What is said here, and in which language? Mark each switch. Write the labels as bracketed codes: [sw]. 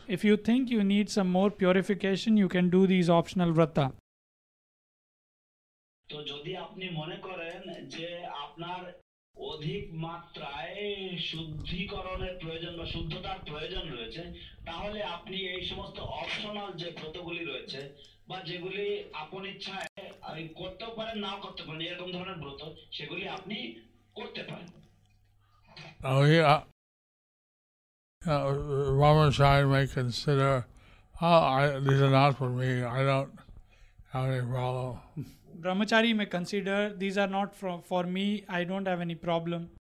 [en] If you think you need some more purification, you can do these optional vrata. [bn] তো যদি আপনি মনে করেন যে আপনার অধিক মাত্রায় শুদ্ধিকরণের প্রয়োজন বা শুদ্ধতার প্রয়োজন রয়েছে তাহলে আপনি এই সমস্ত অপশনাল যে ব্রতগুলি রয়েছে বা যেগুলি আপন ইচ্ছায় আপনি করতে পারেন নাও করতে পারেন এরকম ধরনের ব্রত সেগুলি আপনি করতে পারেন [en] Ramachai may consider, these are not for me, I don't have any problem. Brahmachari may consider, these are not for me, I don't have any problem.